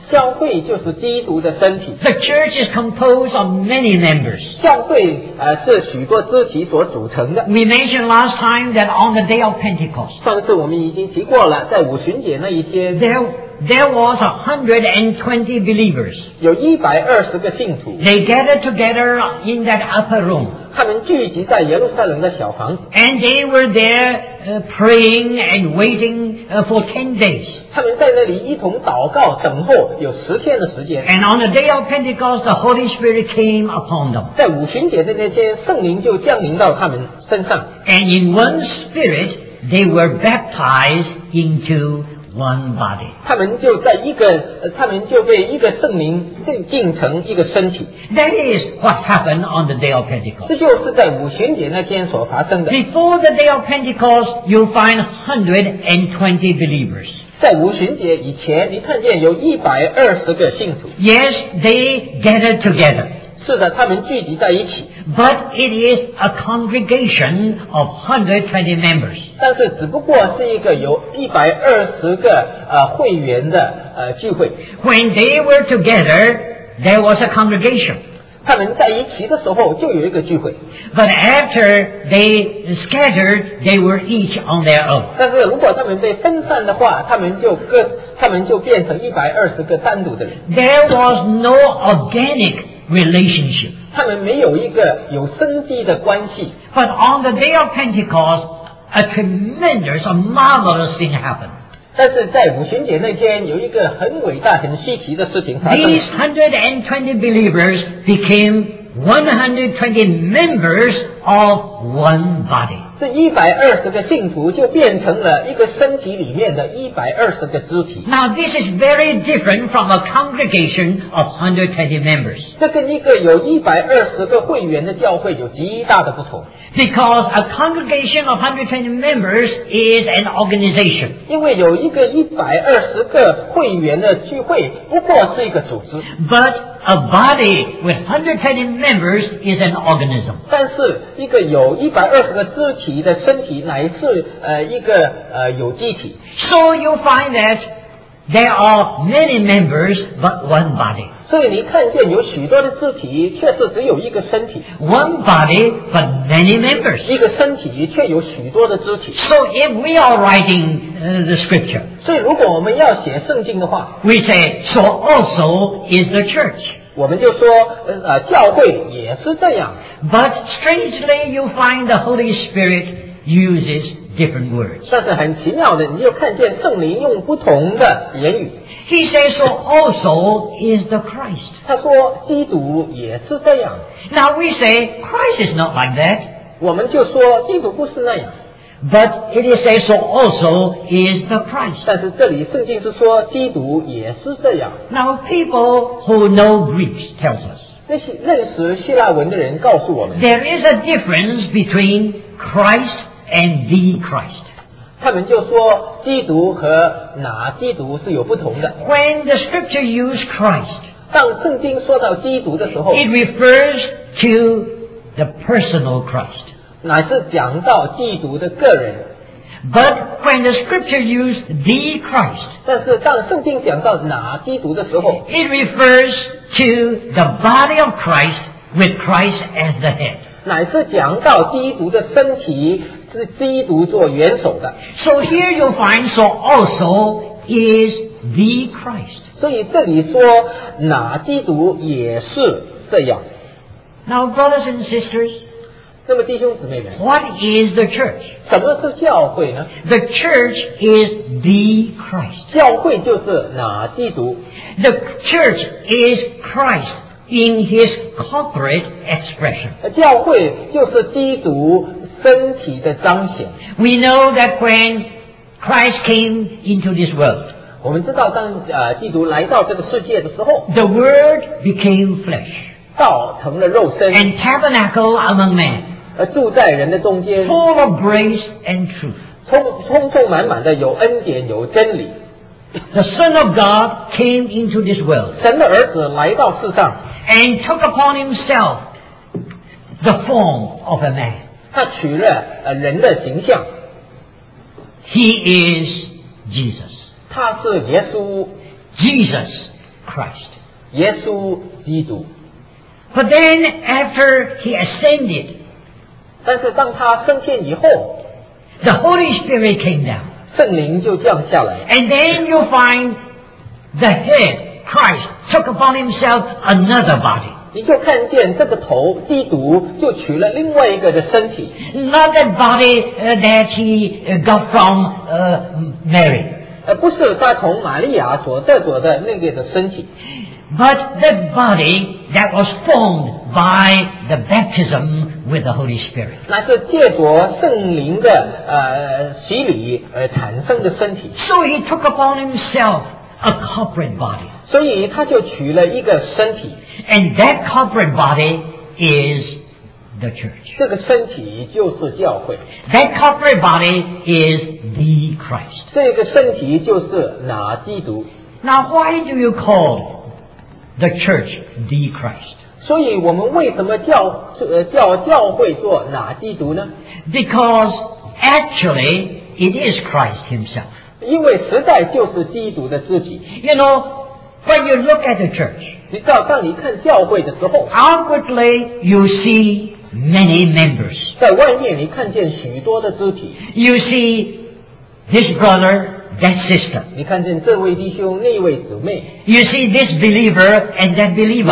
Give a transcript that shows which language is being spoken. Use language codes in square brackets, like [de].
[zh] 教会就是基督的身体 [en] The church is composed of many members [zh] 教会是许多肢体所组成的 [en] We mentioned last time that on the day of Pentecost [zh] 上次我们已经提过了在五旬节那一天 [en] There was 120 believers. [zh] 有120个信徒。 [en] They gathered together in that upper room. [zh] 他们聚集在耶路撒冷的小房子。 [en] And they were there praying and waiting for 10 days. [zh] 他们在那里一同祷告等候有十天的时间。 [en] And on the day of Pentecost, the Holy Spirit came upon them. [zh] 在五旬节的那天圣灵就降临到他们身上。 [en] And in one spirit, they were baptized into One body. [zh] 他们就在一个，他们就被一个圣灵浸成一个身体。 [en] That is what happened on the day of Pentecost. [zh] 这就是在五旬节那天所发生的。 [en] Before the day of Pentecost, you find 120 believers. [zh] 在五旬节以前，你看见有120个信徒。 [en] Yes, they gathered together. [zh] 是的，他们聚集在一起。 [en] But it is a congregation of 120 members. [zh] 但是只不过是一个有120个会员的聚会。 [en] When they were together, there was a congregation. [zh] 他们在一起的时候就有一个聚会。 [en] But after they scattered, they were each on their own. [zh] 但是如果他们被分散的话，他们就变成120个单独的人。 [en] There was no organic relationship. [zh] 他们没有一个有生机的关系。 [en] But on the day of Pentecost, a tremendous, a marvelous thing happened. [zh] 但是在五旬节那天有一个很伟大很稀奇的事情发生。 [en] These 120 believers became 120 members of one body. [zh] 这一百二十个信徒就变成了一个身体里面的一百二十个肢体。 [en] Now this is very different from a congregation of 120 members. [zh] 这跟一个有一百二十个会员的教会有极大的不同。 [en] Because a congregation of 120 members is an organization. [zh] 因为有一个一百二十个会员的聚会不过是一个组织。 [en] But a body with 120 members is an organism. [zh] 但是一个有一百二十个肢体的身体乃是一个有机体。 [en] So you find that there are many members but one body. [zh] 所以你看见有许多的肢体却是只有一个身体。 [en] One body but many members. [zh] 一个身体却有许多的肢体。 [en] So if we are writing the scripture, [zh] 所以如果我们要写圣经的话 [en] we say, so also is the church. [zh] 我们就说教会也是这样。 [en] But strangely, you find the Holy Spirit uses different words. [zh] 但是很奇妙的，你就看见圣灵用不同的言语。 [en] He says, "So also is the Christ." [zh] 他说，基督也是这样。 [en] Now we say, "Christ is not like that." [zh] 我们就说，基督不是那样。 [en] But it is said, "So also is the Christ." [zh] 但是这里圣经是说，基督也是这样。 [en] Now people who know Greeks tells us. [zh] 认识希腊文的人告诉我们 [en] There is a difference between Christ and the Christ. [zh] 他们就说基督和哪基督是有不同的 [en] When the scripture used Christ, [zh] 当圣经说到基督的时候 [en] It refers to the personal Christ. [zh] 乃是讲到基督的个人 [en] But when the scripture used the Christ, [zh] 但是当圣经讲到哪基督的时候 [en] It refers to the body of Christ with Christ as the head. [zh] 乃是讲到基督的身体是基督做元首的。 [en] So here you find, so also is the Christ. [zh] 所以这里说哪基督也是这样。 [en] Now brothers and sisters, [zh] 那么弟兄姊妹们, [en] what is the church? [zh] 什么是教会呢? [en] The church is the Christ. [zh] 教会就是哪基督。 [en] The church is Christ in his corporate expression. [zh] 教会就是基督身体的彰显。 [en] We know that when Christ came into this world, [zh] 我们知道当基督来到这个世界的时候, [en] the word became flesh, [zh] 道成了肉身, [en] and tabernacle among men, [zh] 住在人的中间, [en] full of grace and truth, [zh] 充充满满的有恩典有真理。 [en] The Son of God came into this world. [zh] 神的儿子来到世上 [en] and took upon himself the form of a man. [zh] 他取了人的形象。 [en] He is Jesus. [zh] 他是耶稣。 [en] Jesus Christ. [zh] 耶稣基督。 [en] But then after he ascended, [zh] 但是当他升天以后 [en] the Holy Spirit came down. [zh] 圣灵就降下来。 [en] And then you find the head, Christ, took upon himself another body. [zh] 你就看见这个头基督就取了另外一个的身体。 [en] Not that body that he got from Mary. [zh] 不是他从玛利亚所得着的那个的身体。 [en] But that body that was formed by the baptism with the Holy Spirit. [zh] 那是借着圣灵的洗礼产生的身体。 [en] So he took upon himself a corporate body. [zh] 所以他就取了一个身体。 [en] And that corporate body is the church. [zh] 这个身体就是教会。 [en] That corporate body is the Christ. [zh] 这个身体就是哪基督。 [en] Now why do you call the church the Christ? [zh] 所以我们为什么叫教会做哪基督呢? [en] Because actually it is Christ himself. [zh] 因为实在就是基督的自己。 [en] You know, when you look at the church, [zh] 你知道当你看教会的时候, [en] outwardly you see many members. [zh] 在外面你看见许多的肢体。 [en] You see this brother,that sister. [zh] 你看见这位弟兄那位姊妹。 [en] You see this believer and that believer.